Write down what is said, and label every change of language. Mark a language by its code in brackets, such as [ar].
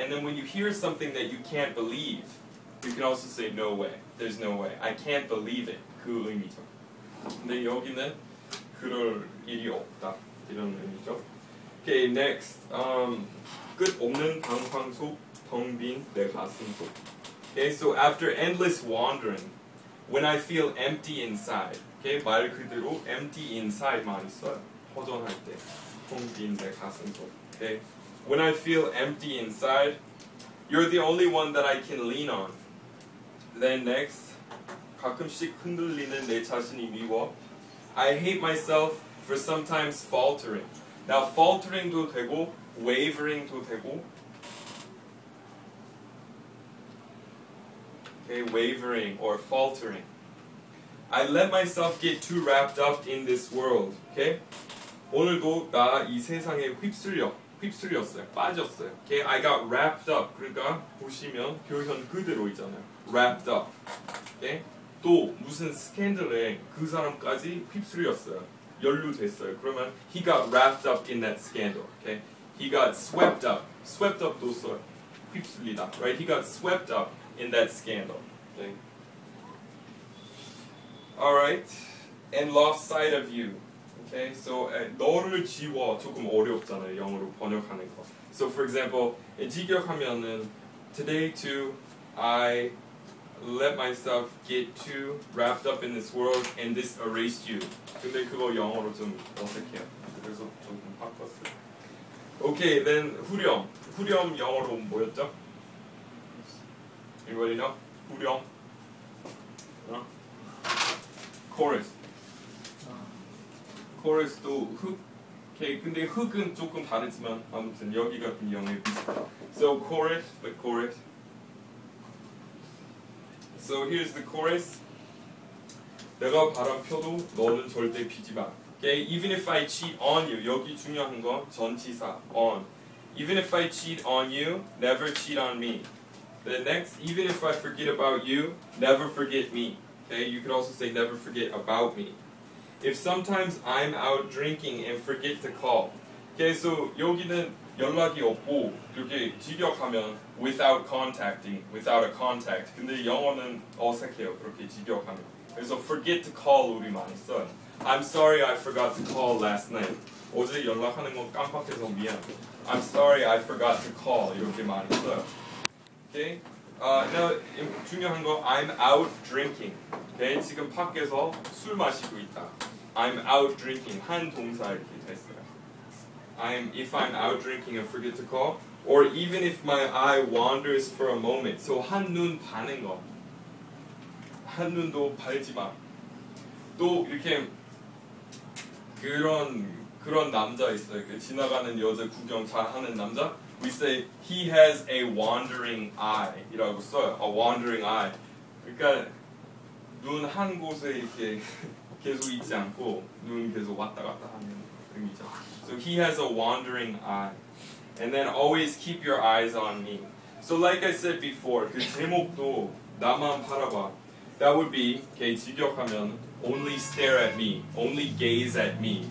[en] And then when you hear something that you can't believe, you can also say no way. There's no way. I can't believe it. [ko] 그 의미죠. 근데 여기는 그럴 일이 없다. 이런 의미죠. [en] Okay, next. [ko] 끝 없는 방황 속 텅 빈 내 가슴 속. [en] Okay, so after endless wandering, when I feel empty inside. [ko] Okay, 말 그대로 empty inside 많이 써요. 허전할 때 텅 빈 내 가슴 속. [en] Okay, when I feel empty inside, you're the only one that I can lean on. [ko] Then next, 가끔씩 흔들리는 내 자신이 미워. [en] I hate myself for sometimes faltering. Now faltering도 되고 wavering도 되고. Okay, wavering or faltering. I let myself get too wrapped up in this world. [ko] Okay, 오늘도 나 이 세상에 휩쓸렸어요. 빠졌어요. [en] Okay, I got wrapped up. [ko] 그러니까 보시면 표현 그대로 있잖아요. [en] Wrapped up. Okay. [ko] 또 무슨 스캔들에 그 사람까지 휩쓸렸어요. 연루됐어요. 그러면 [en] he got wrapped up in that scandal. Okay. He got swept up. Swept up도 써요. 휩쓸리다. Right. He got swept up in that scandal. Okay. All right. And lost sight of you. Okay. [ko] So 너를 지워 조금 어렵잖아요. 영어로 번역하는 거. [en] So for example, [ko] 직역하면은 [en] today too I let myself get too wrapped up in this world and this erased you. [ko] 근데 그거 영어로 좀 어색해요. 그래서 조금 바꿨어요. [en] Okay, then [ko] 후렴. 후렴 영어로 뭐였죠? [en] Anybody know? [ko] 후렴. Huh? Chorus. Chorus도 hook. Okay, 근데 hook은 조금 다르지만 아무튼 여기 같은 영어에 비슷해요. [en] So chorus, the chorus. So here's the chorus. [ko] 내가 바람 펴도 너는 절대 피지 마. [en] Okay, even if I cheat on you. [ko] 여기 중요한 건 전치사 on. [en] Even if I cheat on you, never cheat on me. The next, even if I forget about you, never forget me. Okay, you could also say never forget about me. If sometimes I'm out drinking and forget to call. [ko] Okay, so 여기는 연락이 없고 이렇게 직역하면 [en] without contacting, without a contact. [ko] 근데 영어는 어색해요. 그렇게 직역하면. 그래서 forget to call 우리 많이 써요. [en] I'm sorry I forgot to call last night. [ko] 어제 연락하는 건 깜빡해서 미안. [en] I'm sorry I forgot to call. [ko] 이렇게 많이 써요. [en] Okay. Now [ko] 중요한 거 [en] I'm out drinking. Okay. [ko] 지금 밖에서 술 마시고 있다. [en] I'm out drinking. [ko] 한 동사 이렇게 됐어요. [en] If I'm out drinking and forget to call, or even if my eye wanders for a moment. [ko] So 한눈 파는 거. 한눈도 팔지 마. 또 이렇게 그런 남자 있어요. 그 지나가는 여자 구경 잘하는 남자. We [en] we say he has a wandering eye [ko] 이라고 써요. [en] A wandering eye. [ko] 그러니까 눈 한 곳에 이렇게 계속 있지 않고 눈 계속 왔다 갔다 하는 의미죠. [en] So he has a wandering eye. And then always keep your eyes on me. So like I said before, [ko] 그 제목도 나만 바라봐. [en] That would be, [ko] 걔 직역하면 [en] only stare at me, only gaze at me.